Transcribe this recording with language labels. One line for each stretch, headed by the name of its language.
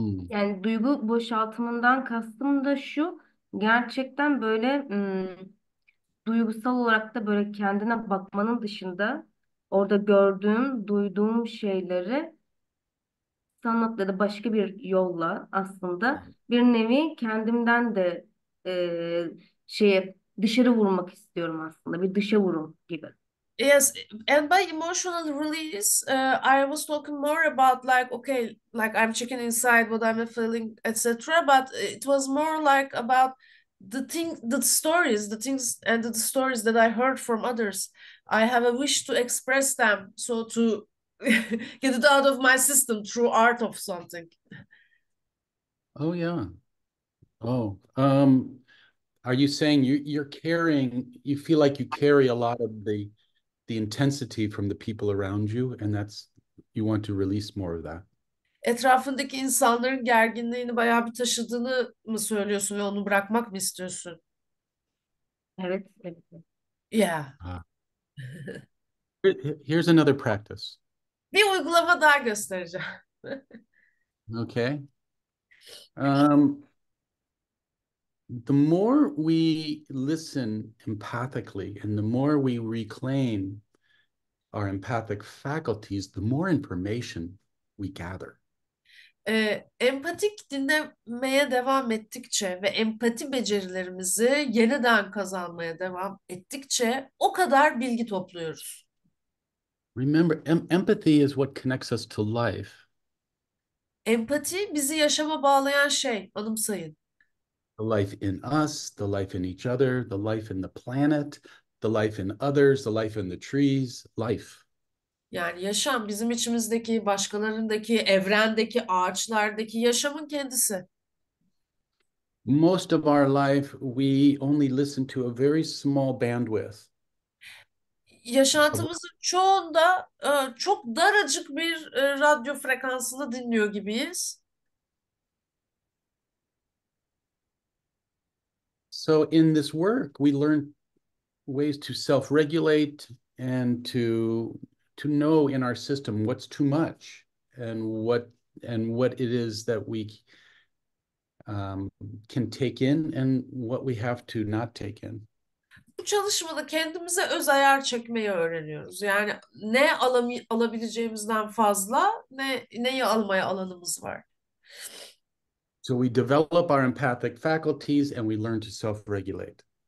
Turkish: Yani duygu boşaltımından kastım da şu, gerçekten böyle duygusal olarak da böyle kendine bakmanın dışında orada gördüğüm, duyduğum şeyleri sanatla ya da başka bir yolla aslında bir nevi kendimden de şeye dışarı vurmak istiyorum aslında, bir dışa vurum gibi.
English: Yes, and by emotional release, I was talking more about like, okay, like I'm checking inside what I'm feeling, etc. But it was more like about the stories that I heard from others. I have a wish to express them, so to get it out of my system through art of something. Oh yeah. Oh, are you saying you're carrying, you feel like you carry a lot of the intensity from the people around you, and that's, you want to release more of that?
Turkish: Etrafındaki insanların gerginliğini bayağı bir taşıdığını mı söylüyorsun ve onu bırakmak mı istiyorsun? Evet.
English: Yeah. Here's another practice.
Turkish: Bir uygulama daha göstereceğim.
English: Okay. The more we listen empathically and the more we reclaim our empathic faculties, the more information we gather.
Turkish: Empatik dinlemeye devam ettikçe ve empati becerilerimizi yeniden kazanmaya devam ettikçe o kadar bilgi topluyoruz.
English: Remember, empathy is what connects us to life.
Turkish: Empati bizi yaşama bağlayan şey, anımsayın.
English: The life in us, the life in each other, the life in the planet, the life in others, the life in the trees, life.
Turkish: Yani yaşam bizim içimizdeki, başkalarındaki, evrendeki, ağaçlardaki yaşamın kendisi.
English: Most of our life we only listen to a very small bandwidth.
Turkish: Yaşantımızın çoğunda çok daracık bir radyo frekansını dinliyor gibiyiz.
English: So in this work we learn ways to self-regulate and to know in our system what's too much and what it is that we can take in and what we have to not take in.
Turkish: Bu çalışmada kendimize öz ayar çekmeyi öğreniyoruz. Yani ne alabileceğimizden fazla neyi almaya alanımız var.
English: So we develop our empathic faculties and we learn to self-regulate.